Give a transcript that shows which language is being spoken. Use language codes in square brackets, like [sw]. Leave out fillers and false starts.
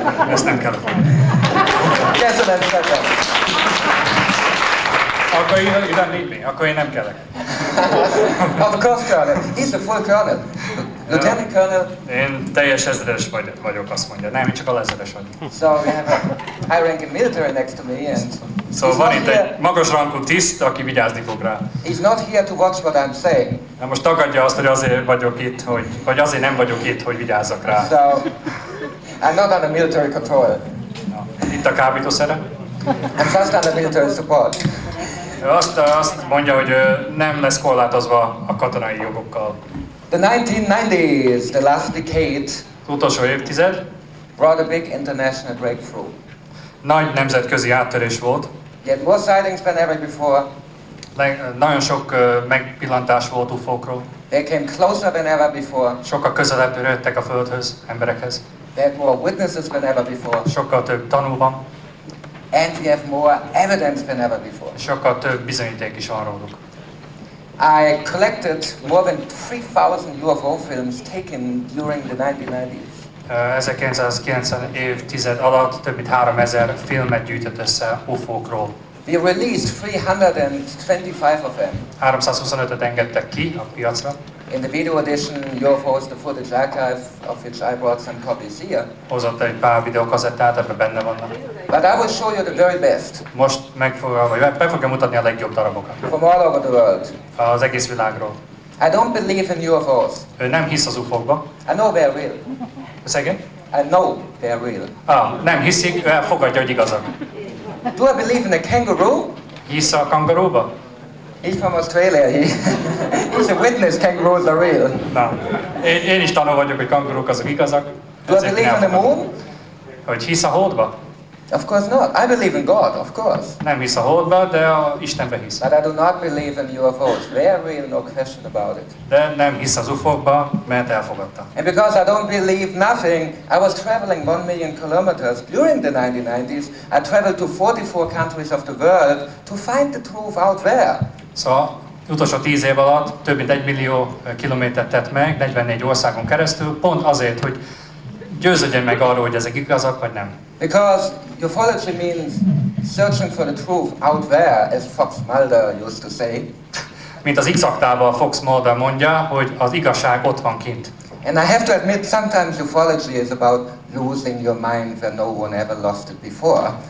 [hu] Ezt nem kell fogni. Köszönöm szépen. Akkor [en] you don't need me. [hu] Akkor én nem kellek. [en] Of course, Colonel. He's a full Colonel. Lieutenant Colonel. [hu] Én teljes ezredes vagyok, azt mondja. Nem, én csak a lezredes vagyok. [en] So we have a high ranking military next to me and... [hu] Szóval van itt egy magas rangú tiszt, aki vigyázni fog rá. [en] He's not here to watch what I'm saying. [hu] De most tagadja azt, hogy azért vagyok itt, vagy azért nem vagyok itt, hogy vigyázzak rá. [en] So, I'm not under military control. [hu] Itt a kábítószerem. [en] I'm just under military support. [hu] Azt mondja, hogy nem lesz korlátozva a katonai jogokkal. [en] The 1990s, the last decade, [hu] utolsó évtized, [en] brought a big international breakthrough. [hu] Nagy nemzetközi áttörés volt. [en] Yet more sightings than ever before. [hu] Nagyon sok megpillantás volt UFO-król. [en] They came closer than ever before. [hu] Sokkal közelebb jöttek a Földhöz, emberekhez. [en] There were more witnesses than ever before. [hu] Sokkal több tanú van. [en] And we have more evidence than ever before. [hu] Sokkal több bizonyíték is van róluk. [en] I collected more than 3,000 UFO films taken during the 1990s. [hu] 1990 évtized alatt több mint 3000 filmet gyűjtött össze UFO-król. [en] We released 325 of them. [hu] 325-öt engedtek ki a piacra. [en] In the video edition, UFOs, the footage archive, of which I brought some copies here. [hu] Hozott egy pár videókazettát, ebben benne vannak. [en] But I will show you the very best. [hu] Most meg fogja mutatni a legjobb darabokat. [en] From all over the world. [hu] Az egész világról. [en] I don't believe in UFOs. [hu] Ő nem hisz az UFO-kba. [en] I know they're real. Second? I know they're real. [hu] Nem hiszik, ő elfogadja, hogy igazak. [en] Do I believe in a kangaroo? [hu] Hisz a kangaroo-ba? [en] He's from Australia. He's a witness. Kangaroos are real. No. [hu] Én is tanú vagyok, hogy kangaroók azok igazak. [en] Do I believe in the moon? [hu] Hogy hisz a holdba? [en] Of course not. I believe in God, of course. [hu] Nem hisz a holdba, de a Istenbe hisz. [en] But I do not believe in UFOs. They are real, no question about it. [hu] De nem hisz az UFO-kba, mert elfogadta. [en] And because I don't believe nothing, I was traveling 1 million kilometers during the 1990s. I traveled to 44 countries of the world to find the truth out there. [hu] Szóval utolsó 10 év alatt több mint 1 millió kilométert tett meg, 44 országon keresztül, pont azért, hogy győződjön meg arról, hogy ezek igazak, vagy nem. [en] Because ufology means searching for the truth out there, as Fox Mulder used to say. [hu] Mint az X-aktával Fox Mulder mondja, hogy az igazság ott van kint. [en] And I have to admit, sometimes ufology is about losing your mind where no one ever lost it before.